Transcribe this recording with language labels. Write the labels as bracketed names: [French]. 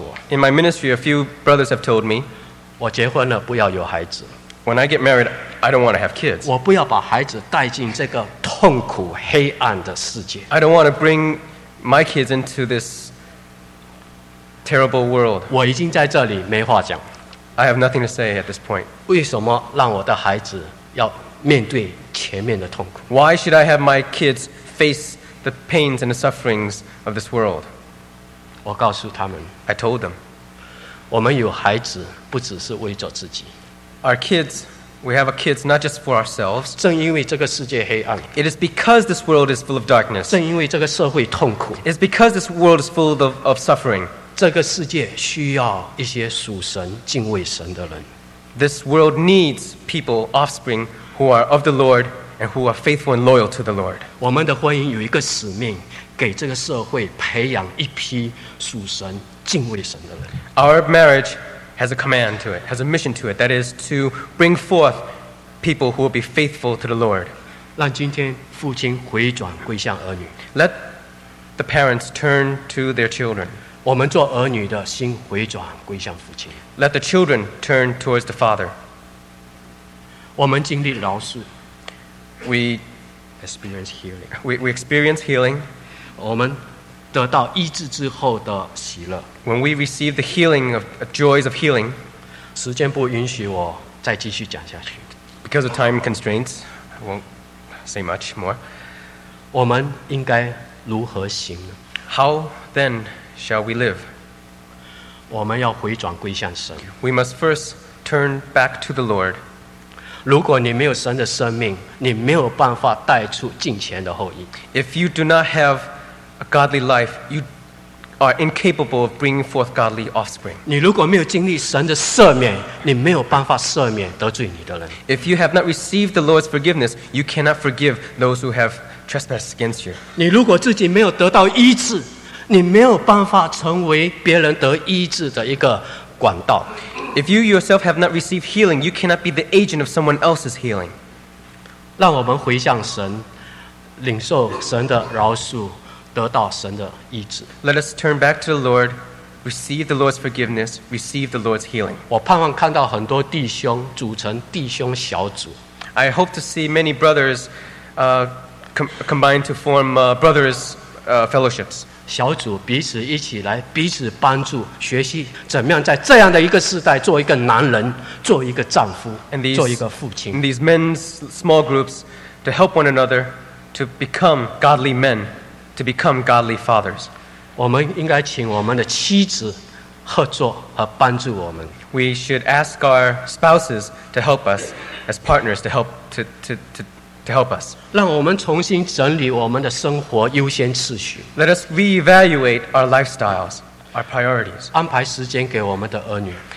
[English] In my ministry, a few brothers have told me, [Chinese] 我结婚了，不要有孩子。 [English] When I get married, I don't want to have kids. [Chinese] 我不要把孩子带进这个痛苦黑暗的世界。 [English] I don't want to bring my kids into this terrible world. [Chinese] 我已经在这里没话讲。 [English] I have nothing to say at this point. [Chinese] 为什么让我的孩子要面对前面的痛苦？ [English] Why should I have my kids face the pains and the sufferings of this world? [Chinese] 我告诉他们， [English] I told them. [Chinese] 我们有孩子不只是为着自己。 [English] Our kids, we have our kids not just for ourselves. [Chinese] 正因为这个世界黑暗, [English] it is because this world is full of darkness. [Chinese] 正因为这个社会痛苦, [English] it's because this world is full of suffering. [Chinese] 这个世界需要一些属神敬畏神的人。 [English] This world needs people, offspring, who are of the Lord and who are faithful and loyal to the Lord. [Chinese] 我们的婚姻有一个使命,给这个社会培养一批属神敬畏神的人。 [English] Our marriage has a command to it, has a mission to it, that is to bring forth people who will be faithful to the Lord. [Chinese] 让今天父亲回转归向儿女。 [English] Let the parents turn to their children. [Chinese] 我们做儿女的心回转归向父亲。 [English] Let the children turn towards the father. [Chinese] 我们经历饶恕。 [English] We experience healing. We experience healing. [Chinese] 我们得到医治之后的喜乐。 [English] When we receive the healing of joys of healing. [Chinese] 时间不允许我再继续讲下去。 [English] Because of time constraints, I won't say much more. [Chinese] 我们应该如何行呢？ [English] How then shall we live? [Chinese] 我们要回转归向神。 [English] We must first turn back to the Lord. [Chinese] 如果你没有神的生命，你没有办法带出敬虔的后裔。 [English] If you do not have a godly life, you are incapable of bringing forth godly offspring. [Chinese] 你如果没有经历神的赦免，你没有办法赦免得罪你的人。 [English] If you have not received the Lord's forgiveness, you cannot forgive those who have trespassed against you. [Chinese] 你如果自己没有得到医治，你没有办法成为别人得医治的一个管道。 [English] If you yourself have not received healing, you cannot be the agent of someone else's healing. [Chinese] 让我们回向神，领受神的饶恕，得到神的医治。 [English] Let us turn back to the Lord, receive the Lord's forgiveness, receive the Lord's healing. [Chinese] 我盼望看到很多弟兄组成弟兄小组。 [English] I hope to see many brothers combine to form brothers fellowships. [Chinese] 小组彼此一起来，彼此帮助，学习怎么样在这样的一个时代做一个男人，做一个丈夫，做一个父亲。 [English] And these men's small groups to help one another to become godly men. To become godly fathers. [Chinese] 我们应该请我们的妻子合作和帮助我们。 [English] We should ask our spouses to help us as partners to help us. [Chinese] 让我们重新整理我们的生活优先次序。 [English] Let us reevaluate our lifestyles, our priorities. [Chinese] 安排时间给我们的儿女。